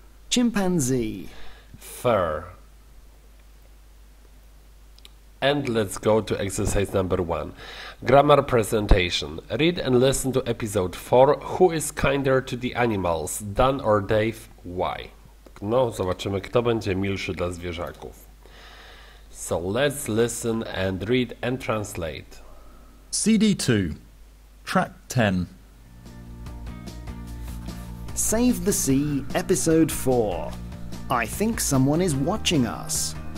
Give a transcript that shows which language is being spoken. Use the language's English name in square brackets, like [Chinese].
[English] Chimpanzee. Fur. And let's go to exercise number one. Grammar presentation. Read and listen to episode 4. Who is kinder to the animals, Dan or Dave? Why? [Polish] No, zobaczymy, kto będzie milszy dla zwierzaków. [English] So let's listen and read and translate. CD 2, track 10. Save the Sea, episode 4. I think someone is watching us.